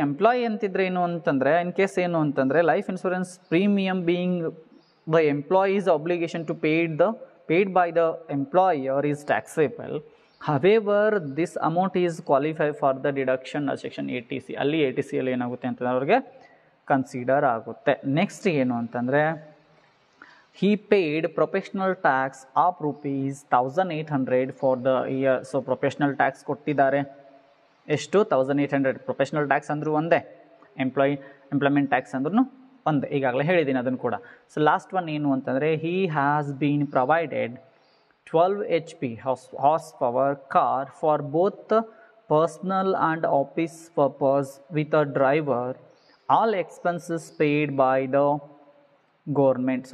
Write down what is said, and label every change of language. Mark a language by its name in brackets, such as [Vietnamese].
[Kannada] Employee ಅಂತಿದ್ರೆ ಏನು ಅಂತಂದರೆ, [English] In case ಏನು ಅಂತಂದರೆ life insurance premium being the employee's obligation to paid by the employer is taxable. However this amount is qualify for the deduction section 80C. [Kannada] ಅಲ್ಲಿ 80Cಯಲ್ಲಿ ಏನಾಗುತ್ತೆ ಅಂತಂದರೆ ಅವ್ರಿಗೆ ಕನ್ಸಿಡರ್ ಆಗುತ್ತೆ. ನೆಕ್ಸ್ಟ್ ಏನು ಅಂತಂದರೆ, [English] he paid professional tax of rupees 1,800 for the year. [Kannada] So professional tax ಕೊಟ್ಟಿದ್ದಾರೆ ಎಷ್ಟು, 1,800. Professional tax ಅಂದರೂ ಒಂದೇ, ಎಂಪ್ಲಾಯ್ಮೆಂಟ್ ಟ್ಯಾಕ್ಸ್ ಅಂದ್ರೂ ಒಂದೇ, ಈಗಾಗಲೇ ಹೇಳಿದ್ದೀನಿ ಅದನ್ನು ಕೂಡ. [English] so last one [Kannada] ಏನು ಅಂತಂದರೆ, [English] He has been provided 12 HP horse power car for both personal and office purpose with a driver, all expenses paid by the government.